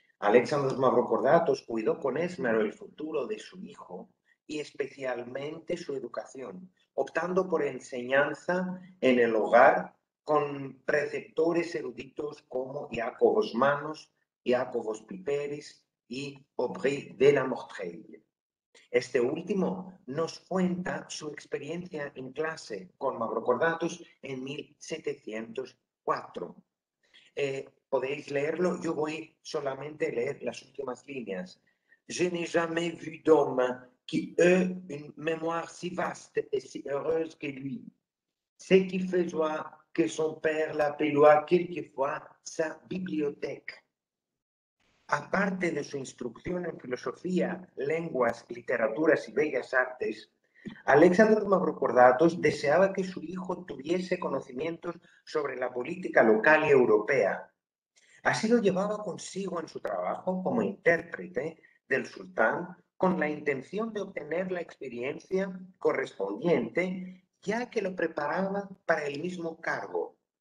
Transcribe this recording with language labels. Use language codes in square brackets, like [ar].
[es] Alexandros Mavrocordatos cuidó con esmero el futuro de su hijo y especialmente su educación, optando por enseñanza en el hogar con preceptores eruditos como Iacobos Manos, Iacobos Piperis y Aubry de la Mortreille. Este último nos cuenta su experiencia en clase con Mavrocordatos en 1704. Podéis leerlo, yo voy solamente a leer las últimas líneas. [fr] Je n'ai jamais vu d'homme qui ait une mémoire si vaste et si heureuse que lui. Ce qui fait joie que son père l'appelait quelquefois sa bibliothèque. [es] Aparte de su instrucción en filosofía, lenguas, literaturas y bellas artes, Alexander Mavrocordatos deseaba que su hijo tuviese conocimientos sobre la política local y europea. Así lo llevaba consigo en su trabajo como intérprete del sultán con la intención de obtener la experiencia correspondiente, ya que lo preparaba para el mismo cargo.